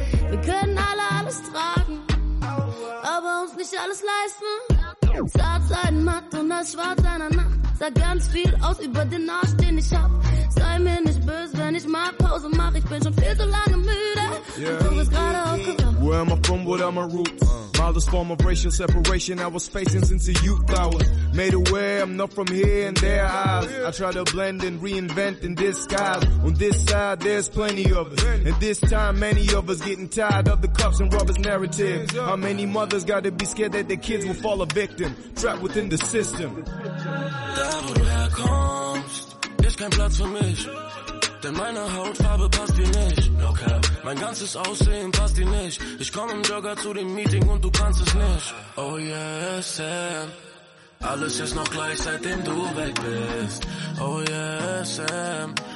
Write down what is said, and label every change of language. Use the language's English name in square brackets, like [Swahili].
[German] Wir können alle alles tragen, aber uns nicht alles leisten. Zart sein, matt und als schwarz einer Nacht. Sag ganz viel aus über den Arsch, den ich hab. Sei mir nicht böse, wenn ich mal Pause mach. Ich bin schon viel zu lange müde. Yeah. Und du bist gerade aufgewacht. [English] Where am I from, what are my roots? Mildest form of racial separation I was facing since the youth. I was made aware I'm not from here and their eyes. I try to blend and reinvent in disguise. On this side there's plenty of us. And this time many of us getting tired of the cops and robbers narrative. How many mothers gotta be scared that their kids will fall a victim? Trapped within the system. [German] Da wo du herkommst, ist kein Platz für mich. Denn meine Hautfarbe passt dir nicht. Okay. Mein ganzes Aussehen passt dir nicht. Ich komm im Jogger zu dem Meeting und du kannst es nicht. [English] Oh yeah, Sam. [German] Alles ist noch gleich, seitdem du weg bist. [English] Oh yeah, Sam.